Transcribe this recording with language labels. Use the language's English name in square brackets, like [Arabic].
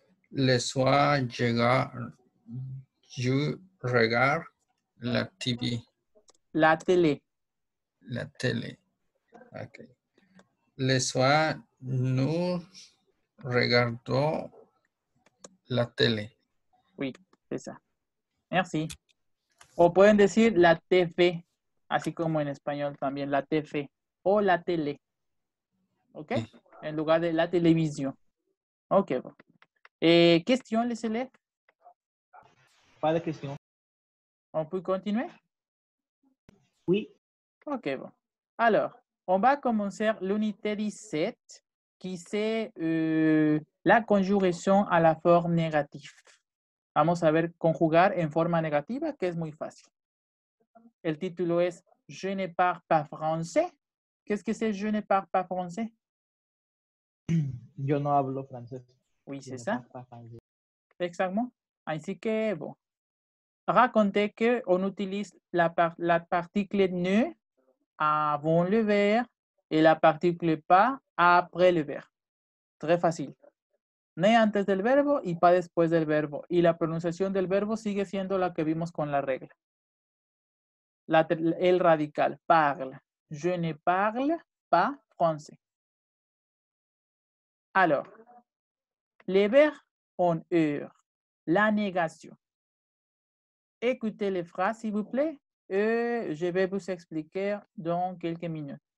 [French] Le soir, je regarde la TV. La télé. La télé. Ok. Le soir, nous regardons la télé. Oui, c'est ça. Merci. [Spanish] O pueden decir la TV, así como en español también, la TV o la tele. ¿Ok? Sí. En lugar de la televisión. [French] Ok. ¿Question, les élèves? Pas de question. ¿On peut continuer? Oui. Ok. Alors. On va commencer l'unité 17, qui c'est la conjugaison à la forme négative. [Spanish] Vamos a ver conjugar en forma negativa, que es muy fácil. El título es [French] Je ne parle pas français. ¿Qu'est-ce que c'est Je ne parle pas français? [Spanish] Yo no hablo francés. [French] Oui, c'est ça. Exactement. [Spanish] Así que, [French] bon. Racontez qu'on utilise la particule ne avant le verbe et la particule pas après le verbe. Très facile. [Spanish] Ne antes del verbo y pas después del verbo. Y la pronunciación del verbo sigue siendo la que vimos con la regla. El radical. Parle. [French] Je ne parle pas français. Alors. Le verbe en heure. [Spanish] La negación. [French] Écoutez les phrases, s'il vous plaît. Je vais vous expliquer dans quelques minutes.